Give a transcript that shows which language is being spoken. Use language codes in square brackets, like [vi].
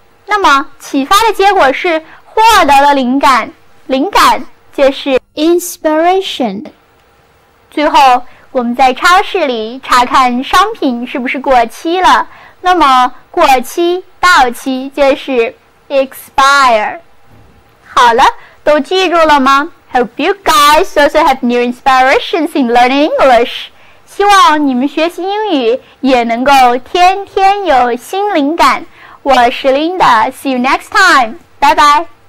[zh] 那么启发的结果是获得了灵感，灵感就是 [en] inspiration。 [zh] 最后我们在超市里查看商品是不是过期了，那么过期到期就是 expire。好了，都记住了吗？ [en] Hope you guys also have new inspirations in learning English。 [zh] 希望你们学习英语也能够天天有新灵感。我是 [en] Linda， See you next time， [zh] 拜拜。